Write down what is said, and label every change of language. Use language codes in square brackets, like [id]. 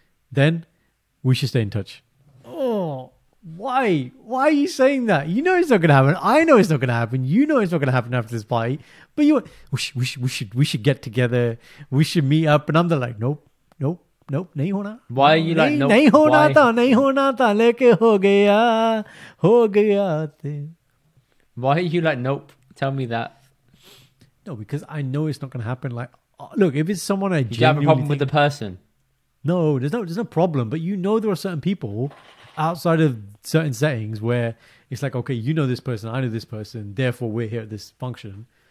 [en] Then we should stay in touch. Oh, why? Why are you saying that? You know it's not going to happen. I know it's not going to happen. You know it's not going to happen after this party. But we should get together. We should meet up. And I'm there like, nope, [hi] नहीं होना. [en] Why are you like, nope? [hi] नहीं होना था, नहीं होना था, लेके हो गया थे. [en] Why are you like, nope? Tell me that. No, because I know it's not going to happen. Like, look, if it's someone I do genuinely... Do you have a problem with the person? No, there's no problem. But you know there are certain people outside of certain settings where it's like, okay, you know this person, I know this person, therefore we're here at this function.